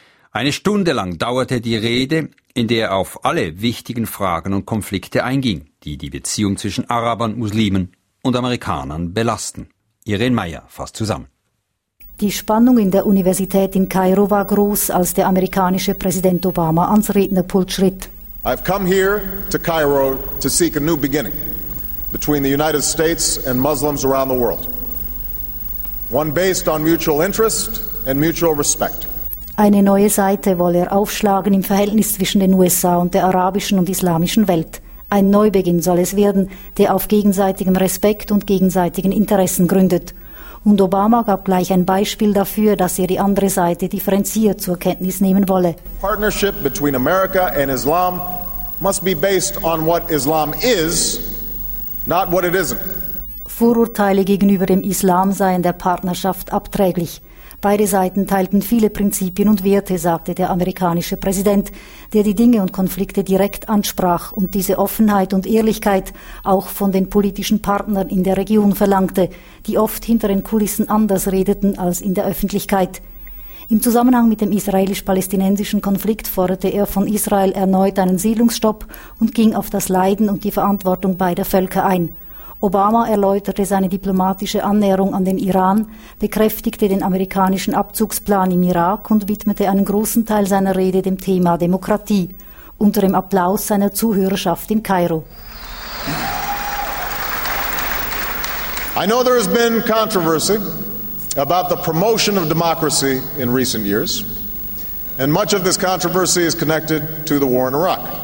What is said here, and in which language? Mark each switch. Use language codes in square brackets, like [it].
[de] Eine Stunde lang dauerte die Rede, in der er auf alle wichtigen Fragen und Konflikte einging, die die Beziehung zwischen Arabern, Muslimen und Amerikanern belasten. Irene Meyer fasst zusammen. Die Spannung in der Universität in Kairo war groß, als der amerikanische Präsident Obama ans Rednerpult schritt. [en] I've come here to Cairo to seek a new beginning between the United States and Muslims around the world. One based on mutual interest and mutual respect. [de] Eine neue Seite wolle er aufschlagen im Verhältnis zwischen den USA und der arabischen und islamischen Welt. Ein Neubeginn soll es werden, der auf gegenseitigem Respekt und gegenseitigen Interessen gründet. Und Obama gab gleich ein Beispiel dafür, dass er die andere Seite differenziert zur Kenntnis nehmen wolle. [en] Partnership between America and Islam must be based on what Islam is, not what it isn't. [de] Vorurteile gegenüber dem Islam seien der Partnerschaft abträglich. Beide Seiten teilten viele Prinzipien und Werte, sagte der amerikanische Präsident, der die Dinge und Konflikte direkt ansprach und diese Offenheit und Ehrlichkeit auch von den politischen Partnern in der Region verlangte, die oft hinter den Kulissen anders redeten als in der Öffentlichkeit. Im Zusammenhang mit dem israelisch-palästinensischen Konflikt forderte er von Israel erneut einen Siedlungsstopp und ging auf das Leiden und die Verantwortung beider Völker ein. Obama erläuterte seine diplomatische Annäherung an den Iran, bekräftigte den amerikanischen Abzugsplan im Irak und widmete einen großen Teil seiner Rede dem Thema Demokratie, unter dem Applaus seiner Zuhörerschaft in Kairo. [en] I know there has been controversy about the promotion of democracy in recent years, and much of this controversy is connected to the war in Iraq.